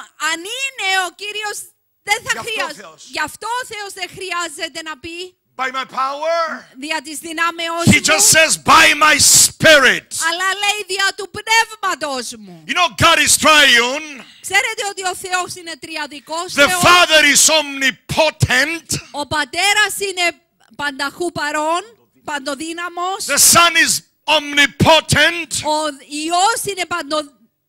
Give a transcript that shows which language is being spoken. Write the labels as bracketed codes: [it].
[el] Αν είναι ο Κύριος, δεν θα χρειάζεται. Γι' αυτό ο Θεός δεν χρειάζεται να πει. [en] By my power. [el] Δια της δυνάμεώς μου. [en] He just says by my spirit. [el] Αλλά λέει δια του πνεύματος μου. [en] You know God is triune. [el] Ξέρετε ότι ο Θεός είναι τριαδικός. [en] The Father is omnipotent. [el] Ο Πατέρας είναι πανταχού παρόν, παντοδύναμος. [en] The Son is omnipotent. [el] Ο Υιός είναι παντοδύναμος.